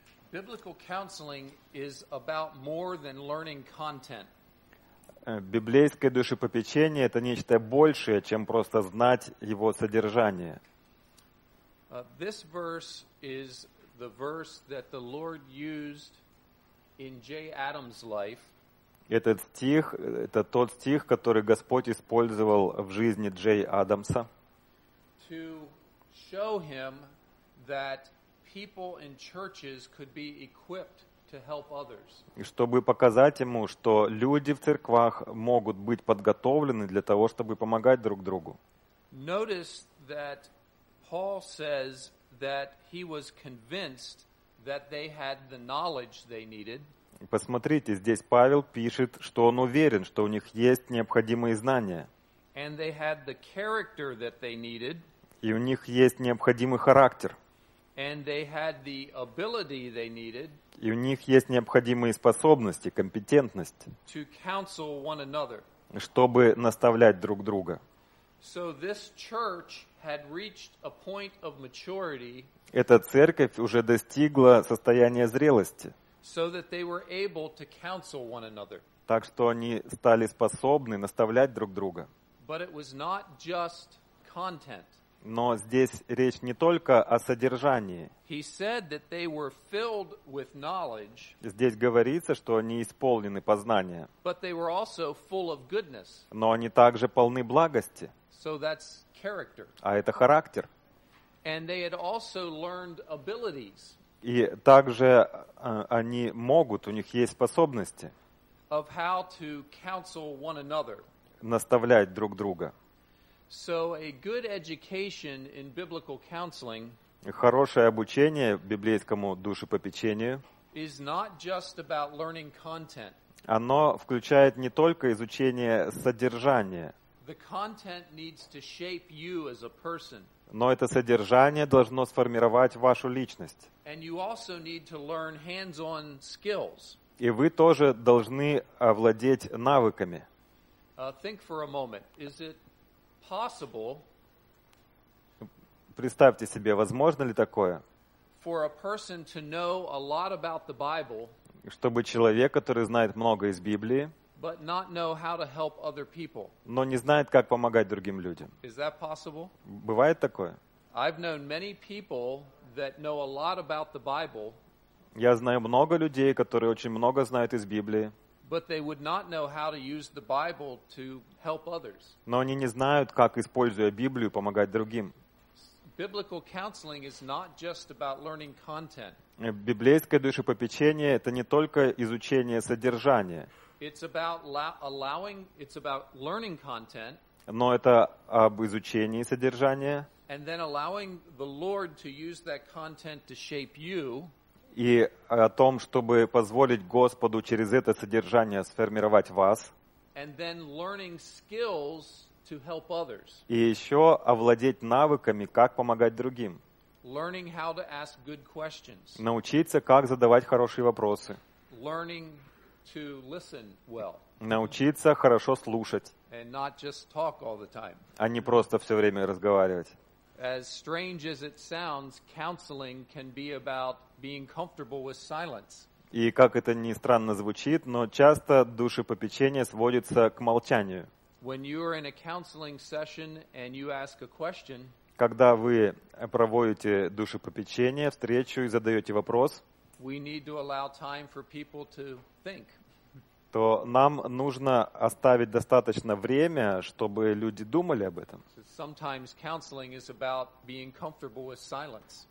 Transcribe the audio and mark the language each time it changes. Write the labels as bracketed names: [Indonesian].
[English] Biblical counseling is about more than learning content. [Russian] Библейское душепопечение – это нечто большее, чем просто знать его содержание. [English] This verse is the verse that the Lord used in Jay Adams' life. [Russian] Этот стих – это тот стих, который Господь использовал в жизни Джей Адамса. [English] To show him that people in churches could be equipped to help others. [Russian] И чтобы показать ему, что люди в церквах могут быть подготовлены для того, чтобы помогать друг другу. [English] Notice that Paul says that he was convinced that they had the knowledge they needed. [Russian] Посмотрите, здесь Павел пишет, что он уверен, что у них есть необходимые знания. [English] And they had the character that they needed. [Russian] И у них есть необходимый характер. [English] And they had the ability they needed. [Russian] И у них есть необходимые способности, компетентность. [English] To counsel one another. [Russian] Чтобы наставлять друг друга. [English] So this church had reached a point of maturity. [Russian] Эта церковь уже достигла состояния зрелости. [English] So that they were able to counsel one another. [Russian] Так что они стали способны наставлять друг друга. [English] But it was not just content. [Russian] Но здесь речь не только о содержании. [English] He said that they were filled with knowledge. [Russian] Здесь говорится, что они исполнены познания. [English] But they were also full of goodness. [Russian] Но они также полны благости. [English] So that's character. [Russian] А это характер. [English] And they had also learned abilities. [Russian] И также они могут, у них есть способности. [English] Of how to counsel one another. [Russian] Наставлять друг друга. [English] So a good education in biblical counseling. [Russian] Хорошее обучение библейскому душепопечению. [English] Is not just about learning content. [Russian] Оно включает не только изучение содержания. [English] The content needs to shape you as a person. [Russian] Но это содержание должно сформировать вашу личность. [English] And you also need to learn hands-on skills. [Russian] И вы тоже должны овладеть навыками. [English] Think for a moment. Is it possible? [Russian] Представьте себе, возможно ли такое? [English] For a person to know a lot about the Bible. [Russian] Чтобы человек, который знает много из Библии, [English] but not know how to help other people. [Russian] Но не знает, как помогать другим людям. [English] Is that possible? [Russian] Бывает такое? [English] I've known many people that know a lot about the Bible. [Russian] Я знаю много людей, которые очень много знают из Библии. [English] But they would not know how to use the Bible to help others. [Russian] Но они не знают, как, используя Библию, помогать другим. [English] Biblical counseling is not just about learning content. [Russian] Библейское душепопечение – это не только изучение содержания. [English] It's about allowing, it's about learning content. [Russian] Но это об изучении содержания. [English] And then allowing the Lord to use that content to shape you. [Russian] И о том, чтобы позволить Господу через это содержание сформировать вас. [English] And then learning skills to help others. [Russian] И еще овладеть навыками, как помогать другим. [English] Learning how to ask good questions. [Russian] Научиться, как задавать хорошие вопросы. [English] Learning to listen well. [Russian] Научиться хорошо слушать. [English] And not just talk all the time. [Russian] А не просто все время разговаривать. [English] As strange as it sounds, counseling can be about being comfortable with silence. [Russian] И как это ни странно звучит, но часто душепопечение сводится к молчанию. [English] When you are in a counseling session and you ask a question, [Russian] когда вы проводите душепопечение, встречу и задаете вопрос, [English] we need to allow time for people to think. [Russian] То нам нужно оставить достаточно время, чтобы люди думали об этом. [English] Sometimes counseling is about being comfortable with silence.